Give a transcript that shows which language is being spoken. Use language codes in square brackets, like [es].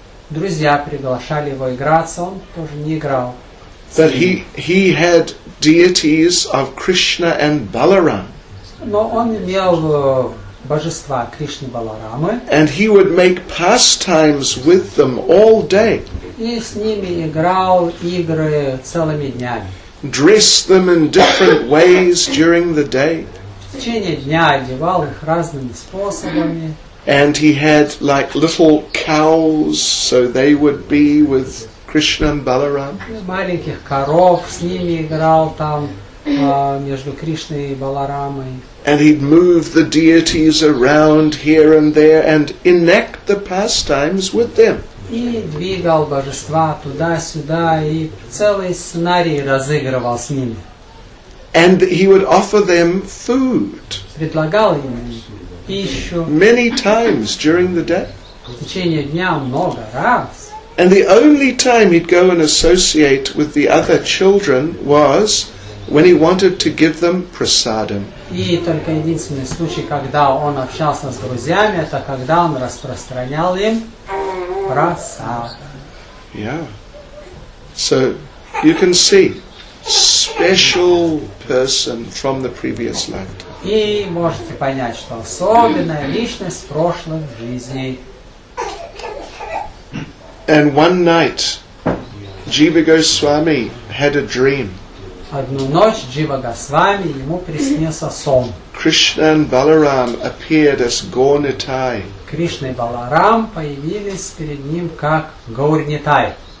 [ru] Друзья приглашали его играться, он тоже не играл. [en] But he had deities of Krishna and Balaram. [ru] Но он имел божества Кришны Баларамы. [en] And he would make pastimes with them all day. [ru] И с ними играл игры целыми днями. [en] Dress them in different ways during the day. [ru] В течение дня одевал их разными способами. [en] And he had like little cows, so they would be with Krishna and Balaram. [ru] Маленьких коров с ними играл там. Между Кришной и Баларамой. [en] And he'd move the deities around here and there and enact the pastimes with them. [ru] И двигал божества туда-сюда и целый сценарий разыгрывал с ними. [en] And he would offer them food. [ru] Предлагал им пищу. [en] Many times during the day. [ru] В течение дня много раз. [en] And the only time he'd go and associate with the other children was when he wanted to give them prasadam. [ru] И только единственный случай, когда он общался с друзьями, это когда он распространял им прасад. [en] Yeah. So you can see special person from the previous lifetime. [ru] И можете понять, что особенная личность прошлых жизней. [en] And one night, Jiva Goswami had a dream. [ru] Одну ночь Джива Госвами ему приснился сон. [en] Krishna and Balaram appeared as Gaur-Nitai. [ru] Кришна и Баларам появились перед ним как Гаур-Нитай.